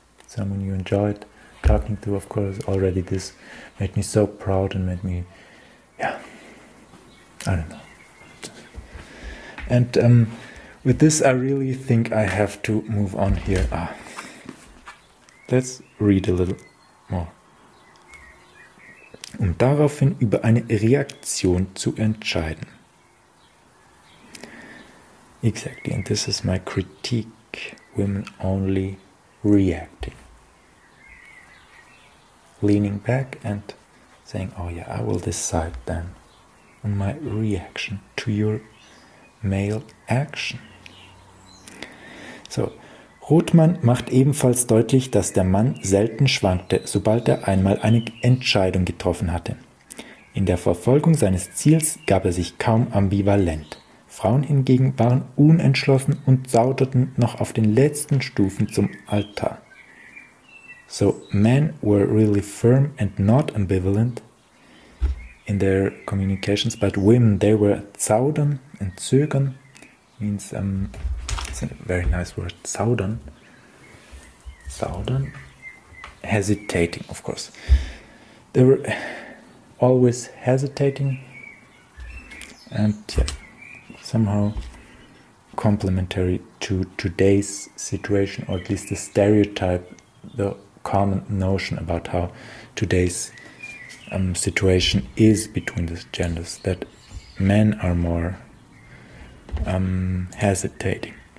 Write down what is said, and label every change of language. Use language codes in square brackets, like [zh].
[en] someone you enjoyed talking to, of course, already this made me so proud and made me, yeah, I don't know. And with this, I really think I have to move on here. Ah, let's read a little more. [de] Um daraufhin über eine Reaktion zu entscheiden. [en] Exactly, and this is my critique. Women only reacting. Leaning back and saying, oh yeah, I will decide then on my reaction to your male action. [de] So, Rothmann macht ebenfalls deutlich, dass der Mann selten schwankte, sobald er einmal eine Entscheidung getroffen hatte. In der Verfolgung seines Ziels gab er sich kaum ambivalent. Frauen hingegen waren unentschlossen und zauderten noch auf den letzten Stufen zum Altar. [en] So men were really firm and not ambivalent in their communications, but women, they were zaudern and zögern, means it's a very nice word, zaudern. Zaudern, hesitating, of course. They were always hesitating and yeah, somehow complementary to today's situation, or at least the stereotype, the common notion about how today's situation is between the genders, that men are more hesitating.